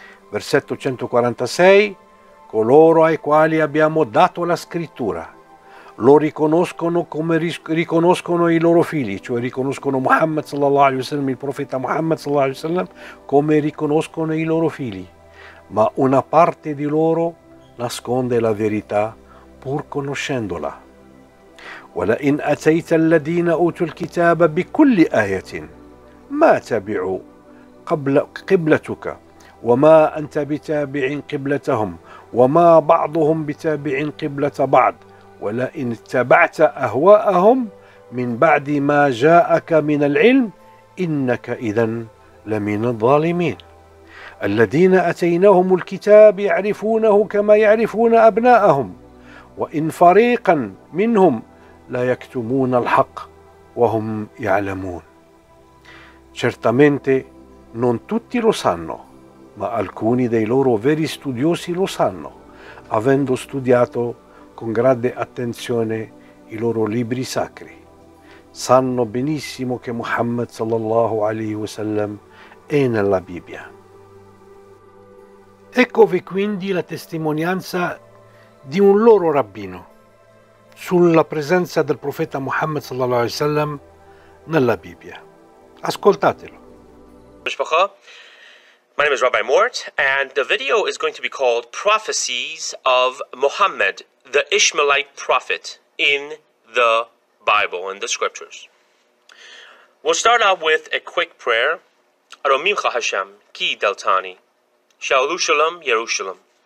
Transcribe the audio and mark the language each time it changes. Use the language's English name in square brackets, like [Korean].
[Italian] Versetto 146, coloro ai quali abbiamo dato la scrittura, lo riconoscono come riconoscono i loro figli, cioè riconoscono Muhammad sallallahu alaihi wasallam, il profeta Muhammad sallallahu alaihi wasallam, come riconoscono i loro figli, ma una parte di loro nasconde la verità pur conoscendola. [Arabic] وَلَئِنْ أَتَيْتَ الَّذِينَ أُوتُوا الْكِتَابَ بِكُلِّ آيَةٍ مَا تَبِعُوا قِبْلَتُكَ وَمَا أَنْتَ بِتَابِعٍ قِبْلَتَهُمْ وَمَا بَعْضُهُمْ بِتَابِعٍ قِبْلَةَ بَعْضٍ وَلَئِنْ اتَّبَعْتَ أَهْوَاءَهُمْ مِنْ بَعْدِ مَا جَاءَكَ مِنَ الْعِلْمِ إِنَّكَ إِذًا لَمِنَ الظَّالِمِينَ الَّذِينَ أَتَيْنَاهُمُ الْكِتَابَ يَعْرِفُونَهُ كَمَا يَعْرِفُونَ أَبْنَاءَهُمْ وَإِنْ فَرِيقًا مِنْهُمْ la yaktumuna al-haq wa hum ya'lamun. [Italian] Certamente non tutti lo sanno, ma alcuni dei loro veri studiosi lo sanno, avendo studiato con grande attenzione i loro libri sacri. Sanno benissimo che Muhammad sallallahu alaihi wasallam è nella Bibbia. Eccovi quindi la testimonianza di un loro rabbino sulla presenza del profeta Muhammad sallallahu alaihi wasallam nella Bibbia. Ascoltatelo. [English] My name is Rabbi Mort and the video is going to be called Prophecies of Muhammad, the Ishmaelite prophet in the Bible and the scriptures. We'll start out with a quick prayer. [Hebrew] Aromimcha Hashem, ki deltani, Shalushalom Yerushalom.